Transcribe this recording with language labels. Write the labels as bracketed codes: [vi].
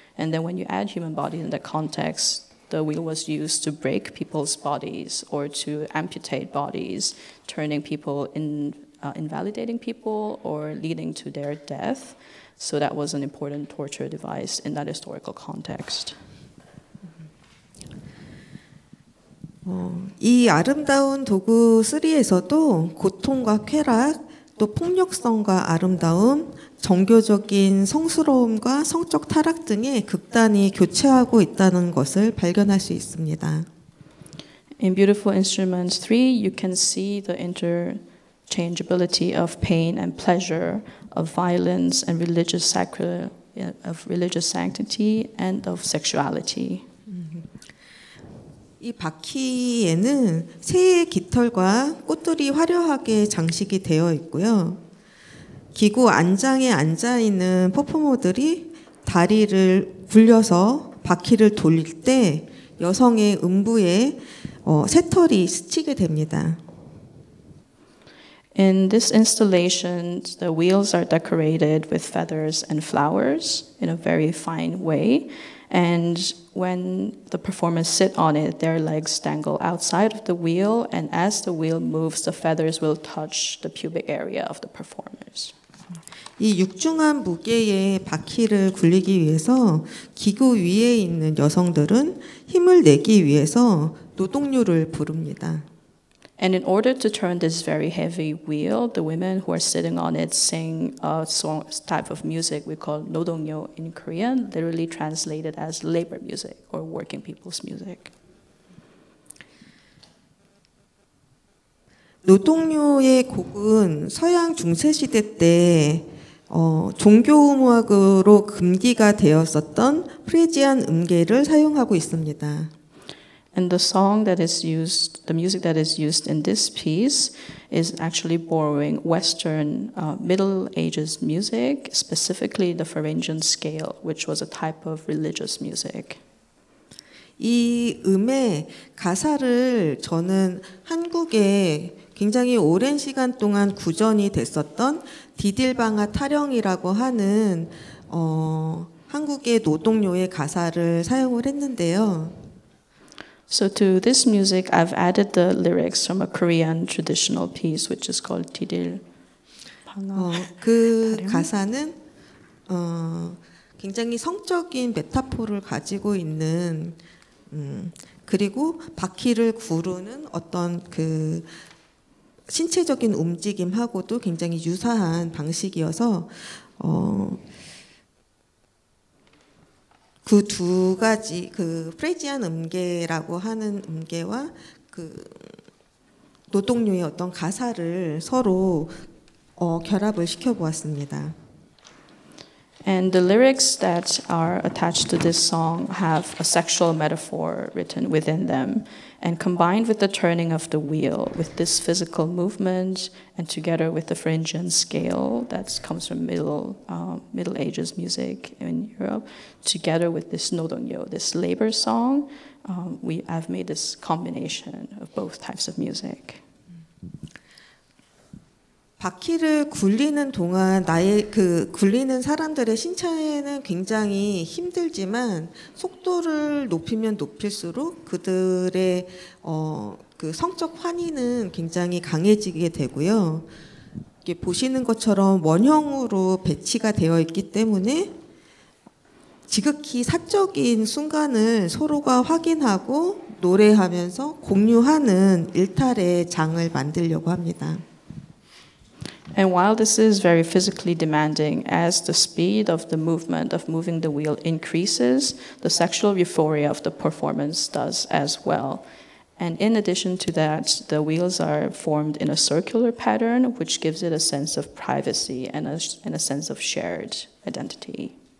[en] And then when you add human bodies in that context, the wheel was used to break people's bodies or to amputate bodies, turning people invalidating people or leading to their death. So that was an important torture device in that historical context. [ko] 이 아름다운 도구 3에서도 고통과 쾌락, 또 폭력성과 아름다움, 정교적인 성스러움과 성적 타락 등의 극단이 교체하고 있다는 것을 발견할 수 있습니다. [en] In Beautiful Instruments 3, you can see the interchangeability of pain and pleasure, of violence and religious sanctity and of sexuality. [ko] 이 바퀴에는 새의 깃털과 꽃들이 화려하게 장식이 되어 있고요. 기구 안장에 앉아 있는 퍼포머들이 다리를 굴려서 바퀴를 돌릴 때 여성의 음부에 새털이 스치게 됩니다. [en] In this installation, the wheels are decorated with feathers and flowers in a very fine way. And when the performers sit on it, their legs dangle outside of the wheel, and as the wheel moves, the feathers will touch the pubic area of the performers. [ko] 이 육중한 무게의 바퀴를 굴리기 위해서 기구 위에 있는 여성들은 힘을 내기 위해서 노동요를 부릅니다. [en] And in order to turn this very heavy wheel, the women who are sitting on it sing a song, type of music we call 노동요 in Korean, literally translated as labor music or working people's music. [ko] 노동요의 곡은 서양 중세 시대 때 종교 음악으로 금기가 되었었던 프리지안 음계를 사용하고 있습니다. [en] And the song that is used, the music that is used in this piece is actually borrowing Western Middle Ages music, specifically the Thuringian scale, which was a type of religious music. [ko] 이 음의 가사를 저는 한국에 굉장히 오랜 시간 동안 구전이 됐었던 디딜방아 타령이라고 하는 한국의 노동요의 가사를 사용을 했는데요. [en] So to this music, I've added the lyrics from a Korean traditional piece, which is called 디딜방아. [ko] 그 가사는 굉장히 성적인 메타포를 가지고 있는 그리고 바퀴를 구르는 어떤 그 신체적인 움직임하고도 굉장히 유사한 방식이어서 그 두 가지 그 프레지안 음계라고 하는 음계와 그 노동요의 어떤 가사를 서로 결합을 시켜 보았습니다. [en] And the lyrics that are attached to this song have a sexual metaphor written within them. And combined with the turning of the wheel, with this physical movement, and together with the Thuringian scale that comes from Middle Ages music in Europe, together with this 노동요, this labor song, we have made this combination of both types of music. [ko] 바퀴를 굴리는 동안 굴리는 사람들의 신체에는 굉장히 힘들지만 속도를 높이면 높일수록 그들의 그 성적 환희는 굉장히 강해지게 되고요. 이렇게 보시는 것처럼 원형으로 배치가 되어 있기 때문에 지극히 사적인 순간을 서로가 확인하고 노래하면서 공유하는 일탈의 장을 만들려고 합니다. [en] And while this is very physically demanding, as the speed of the movement of moving the wheel increases, the sexual euphoria of the performance does as well. And in addition to that, the wheels are formed in a circular pattern, which gives it a sense of privacy and a sense of shared identity.